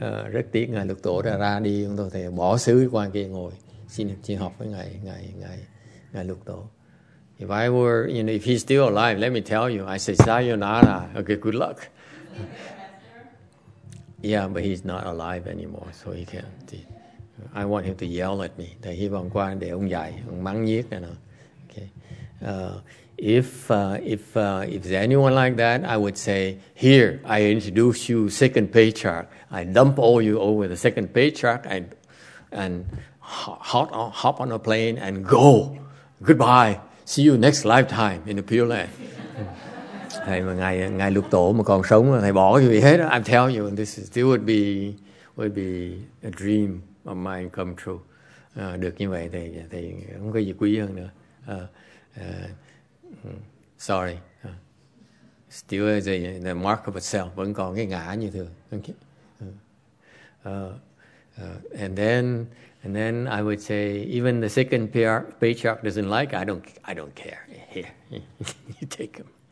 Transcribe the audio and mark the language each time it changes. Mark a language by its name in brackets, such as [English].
[Vietnamese] Rất tiếc ngài lục tổ đã ra đi, chúng tôi thầy bỏ xứ qua kia ngồi xin học với ngài lục tổ. [English] If I were, you know, if he's still alive, let me tell you, I say sayonara. Okay, good luck. Yeah, but he's not alive anymore, so he can't. I want him to yell at me. [Vietnamese] Thầy hy vọng qua để ông dạy, ông mắng nhiếc này nọ. [English] Okay. If there's anyone like that, I would say, here, I introduce you second patriarch. I dump all you over the second patriarch and hop on a plane and go. Goodbye. See you next lifetime in the Pure Land. [Vietnamese] Thầy mà ngài lục tổ mà còn sống thầy bỏ cái gì hết. [English] I tell you, this would be a dream of mine come true. [Vietnamese] Được như vậy thì không có gì quý hơn nữa. [English] Sorry. Still is the mark of itself. [Vietnamese] Vẫn còn cái ngã như thường. [English] Okay. And then I would say, even the second patriarch doesn't like, I don't care. Here, you take him.